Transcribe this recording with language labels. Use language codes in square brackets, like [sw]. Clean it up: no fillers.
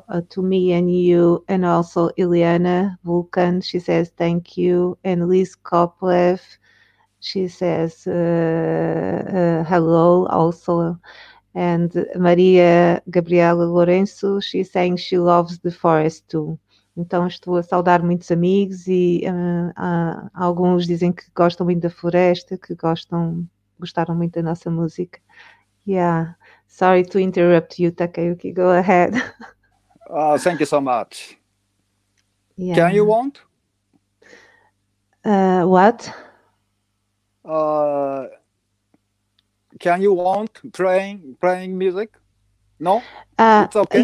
[en] to me and you, and also Ileana Vulcan, she says thank you, and Liz Koplev, she says hello also, and Maria Gabriela Lourenço, she's saying she loves the forest too. [pt] Então, estou a saudar muitos amigos e alguns dizem que gostam muito da floresta, que gostaram muito da nossa música. [en] Yeah, sorry to interrupt you, Takayuki, go ahead. Thank you so much. Yeah. Can you want? What? Can you want playing music? No? It's okay?